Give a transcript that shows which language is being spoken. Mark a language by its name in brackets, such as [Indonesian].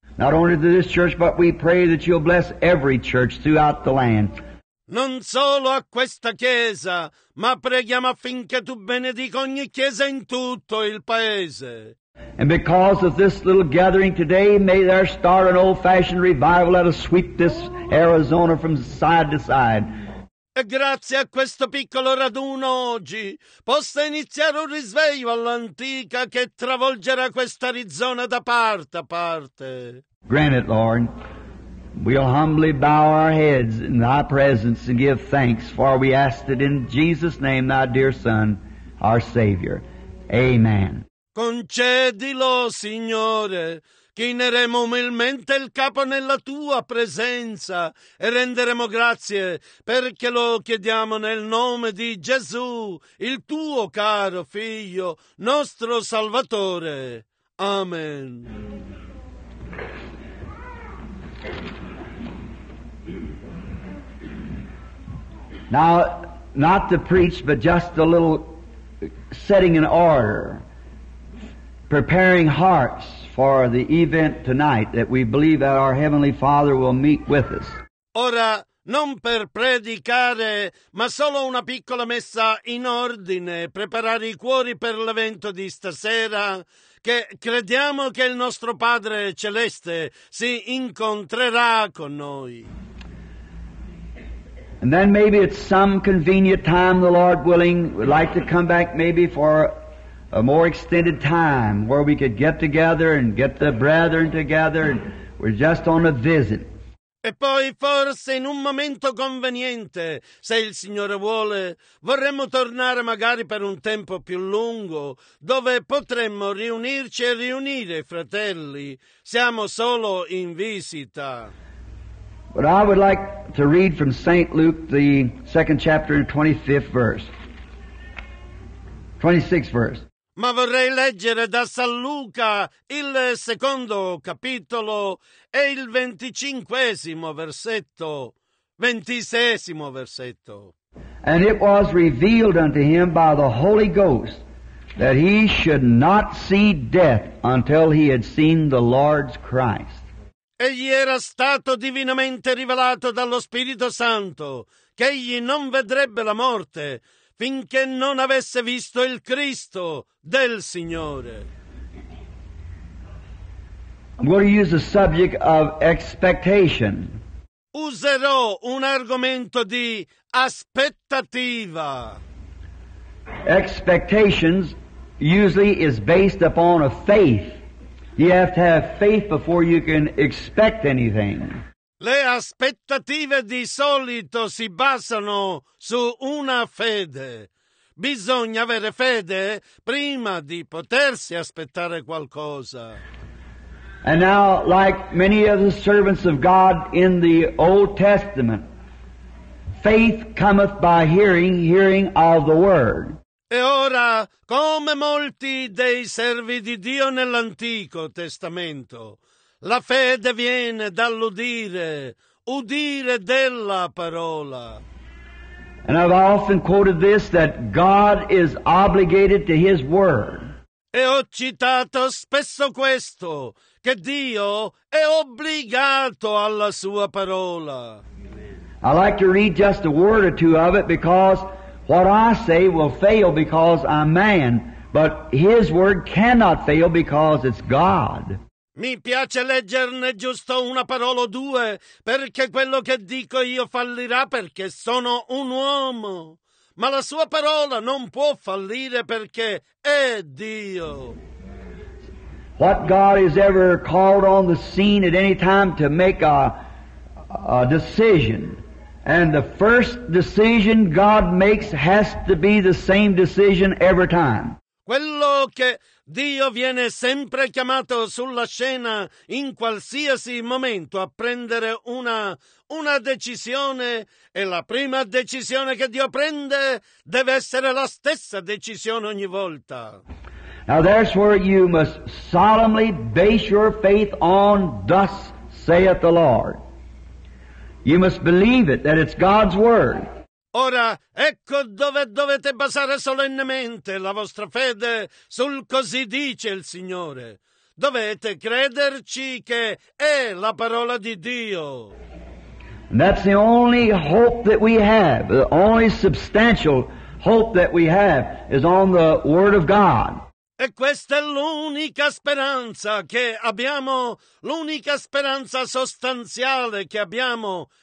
[English] Not only to this church, but we pray that you'll bless every church throughout the land. [Italian] Non solo a questa chiesa, ma preghiamo affinché tu benedica ogni chiesa in tutto il paese. [English] And because of this little gathering today, may there start an old-fashioned revival that'll sweep this Arizona from side to side. [Italian] E grazie a questo piccolo raduno oggi possa iniziare un risveglio all'antica che travolgerà questa Arizona da parte a parte. [English] Grant it, Lord. We'll humbly bow our heads in thy presence and give thanks, for we ask it in Jesus' name, thy dear Son, our Savior. Amen. [Italian] Concedilo, Signore, chineremo umilmente il capo nella tua presenza e renderemo grazie perché lo chiediamo nel nome di Gesù, il tuo caro Figlio, nostro Salvatore. Amen. [English] Now, not to preach, but just a little setting in order, preparing hearts for the event tonight that we believe that our Heavenly Father will meet with us. [Italian] Ora, non per predicare, ma solo una piccola messa in ordine, preparare i cuori per l'evento di stasera, che crediamo che il nostro Padre Celeste si incontrerà con noi. [English] And then maybe at some convenient time, the Lord willing, we'd like to come back maybe for a more extended time where we could get together and get the brethren together. And we're just on a visit. [Italian] E poi forse in un momento conveniente, se il Signore vuole, vorremmo tornare magari per un tempo più lungo, dove potremmo riunirci e riunire i fratelli. Siamo solo in visita. [English] But I would like to read from St. Luke, the second chapter, 25th verse. 26th verse. [Italian] Ma vorrei leggere da San Luca il secondo capitolo e il venticinquesimo versetto. Ventisesimo versetto. [English] And it was revealed unto him by the Holy Ghost that he should not see death until he had seen the Lord's Christ. [Italian] Egli era stato divinamente rivelato dallo Spirito Santo che egli non vedrebbe la morte finché non avesse visto il Cristo del Signore. [English] I'm going to use the subject of expectation. [Italian] Userò un argomento di aspettativa. [English] Expectations usually is based upon a faith. You have to have faith before you can expect anything. [Italian] Le aspettative di solito si basano su una fede. Bisogna avere fede prima di potersi aspettare qualcosa. [English] And now, like many of the servants of God in the Old Testament, faith cometh by hearing, hearing of the Word. [Italian] E ora, come molti dei servi di Dio nell'Antico Testamento, la fede viene dall'udire, udire della parola. [English] And I've often quoted this, that God is obligated to His Word. [Italian] E ho citato spesso questo, che Dio è obbligato alla Sua parola. [English] I like to read just a word or two of it because what I say will fail because I'm man, but His Word cannot fail because it's God. [Italian] Mi piace leggerne giusto una parola o due, perché quello che dico io fallirà perché sono un uomo. Ma la sua parola non può fallire perché è Dio. [English] What God has ever called on the scene at any time to make a decision, and the first decision God makes has to be the same decision every time. [Italian] Quello che Dio viene sempre chiamato sulla scena in qualsiasi momento a prendere una decisione e la prima decisione che Dio prende deve essere la stessa decisione ogni volta. [English] Now that's where you must solemnly base your faith on thus saith the Lord. You must believe it, that it's God's Word. [Italian] Ora, ecco dove dovete basare solennemente la vostra fede sul così dice il Signore. Dovete crederci che è la parola di Dio. [English] And that's the only hope that we have, the only substantial hope that we have is on the Word of God. [Italian] E questa è l'unica speranza che abbiamo, l'unica speranza sostanziale che abbiamo